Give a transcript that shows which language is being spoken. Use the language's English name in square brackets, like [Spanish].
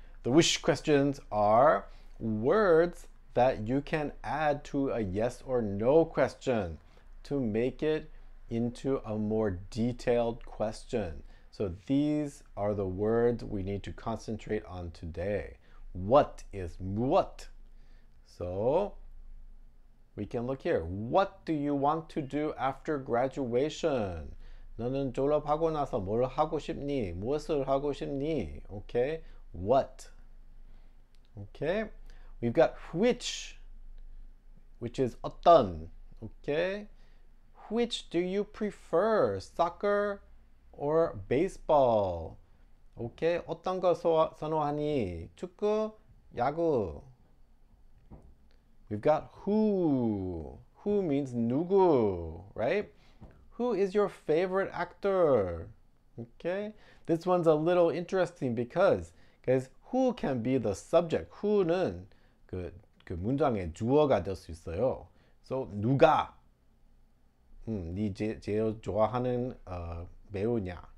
[English] The whoosh questions are words that you can add to a yes or no question to make it into a more detailed question. So these are the words we need to concentrate on today. What is what? So we can look here. What do you want to do after graduation? [Korean] 너는 졸업하고 나서 뭘 하고 싶니? 무엇을 하고 싶니? [English] Okay, what? Okay, we've got which is [Korean] 어떤, okay? [English] Which do you prefer, soccer or baseball? [Korean] Okay, 어떤 거 선호하니? 축구, 야구. [English] We've got who. Who means [Korean] 누구, [English] right? Who is your favorite actor? Okay, this one's a little interesting because who can be the subject? [Korean] 후는 그 문장의 주어가 될 수 있어요. So 누가? 네 제일 좋아하는 배우냐?